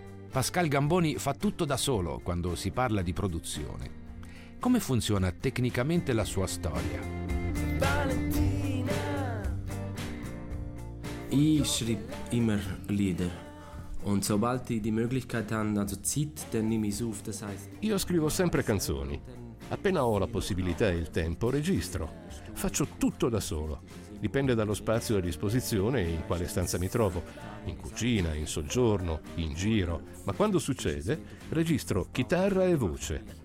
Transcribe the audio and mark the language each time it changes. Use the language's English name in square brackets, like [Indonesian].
[Italian] Pascal Gamboni fa tutto da solo quando si parla di produzione. Come funziona tecnicamente la sua storia? Valentina. [German] Io schrieb immer Lieder und sobald ich die Möglichkeit han, also Zeit, dann nehme ich auf, das heißt. [Italian] Io scrivo sempre canzoni. Appena ho la possibilità e il tempo, registro. Faccio tutto da solo. Dipende dallo spazio a disposizione e in quale stanza mi trovo, in cucina, in soggiorno, in giro. Ma quando succede, registro chitarra e voce.